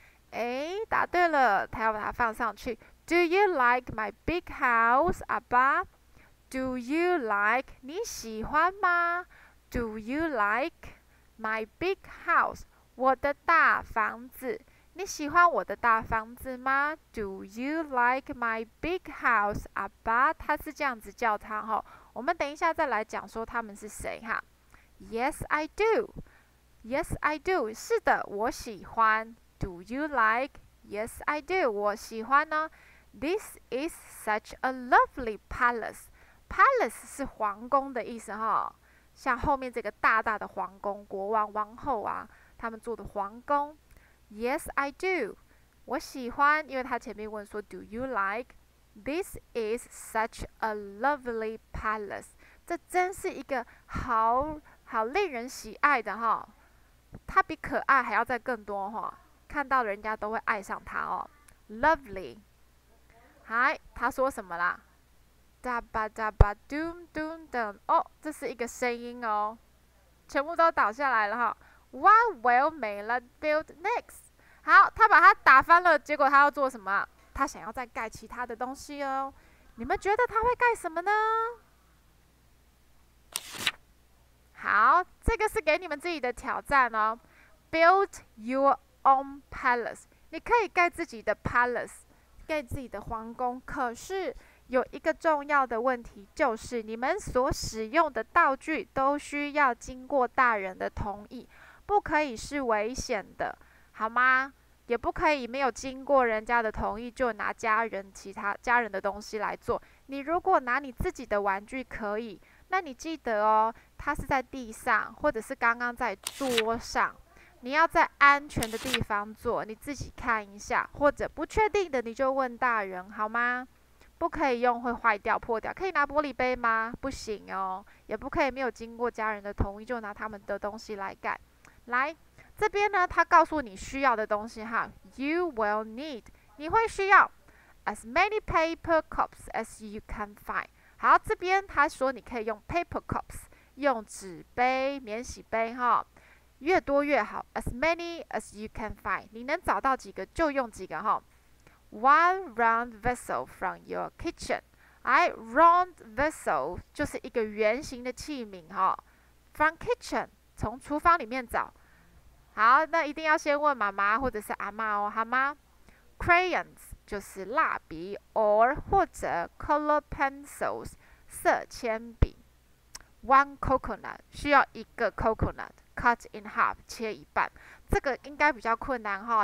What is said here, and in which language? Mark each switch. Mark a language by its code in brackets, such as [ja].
[en] 哎答对了他要把它放上去 Do you like my big house Abba Do you like [zh] 你喜欢吗 [en] Do you like my big house [zh] 我的大房子你喜欢我的大房子吗 [en] Do you like my big house, Abba? [zh] 他是这样子叫他、哦、我们等一下再来讲说他们是谁哈 [en] Yes, I do. Yes, I do. [zh] 是的我喜欢 [en] Do you like? Yes, I do. [zh] 我喜欢呢 [en] This is such a lovely palace. [zh] Palace 是皇宫的意思、哦、像后面这个大大的皇宫国王王后啊他们住的皇宫 [en] Yes, I do. [zh] 我喜欢，因为他前面问说 [en] Do you like? This is such a lovely palace. [zh] 这真是一个好好令人喜爱的哈、哦。它比可爱还要再更多哈、哦，看到人家都会爱上它哦。 [en] Lovely. [zh] 嗨，他说什么啦 ？ Da ba da ba doom doom doom. 哦，这是一个声音哦，全部都倒下来了哈、哦。 [en] What will Mela build next? [zh] 好，他把它打翻了，结果他要做什么？他想要再盖其他的东西哦。你们觉得他会盖什么呢？好，这个是给你们自己的挑战哦。 [en] Build your own palace， [zh] 你可以盖自己的 palace， 盖自己的皇宫。可是有一个重要的问题，就是你们所使用的道具都需要经过大人的同意，不可以是危险的，好吗？也不可以没有经过人家的同意就拿其他家人的东西来做。你如果拿你自己的玩具可以，那你记得哦，它是在地上或者是刚刚在桌上，你要在安全的地方做，你自己看一下，或者不确定的你就问大人，好吗？不可以用会坏掉破掉。可以拿玻璃杯吗？不行哦。也不可以没有经过家人的同意就拿他们的东西来盖。来这边呢，他告诉你需要的东西哈， [en] You will need， [zh] 你会需要 [en] as many paper cups as you can find。 [zh] 好，这边他说你可以用 paper cups， 用纸杯免洗杯哈，越多越好， [en] as many as you can find， [zh] 你能找到几个就用几个哈。 [en] One round vessel from your kitchen， 哎， round vessel [zh] 就是一个圆形的器皿哈， [en] from kitchen， [zh] 从厨房里面找。好，那一定要先问妈妈或者是阿妈哦，好吗？ Crayons 就是蜡笔， or 或者 [en] color pencils [zh] 色铅笔。 One coconut 需要一个 coconut， [en] cut in half [zh] 切一半，这个应该比较困难哈。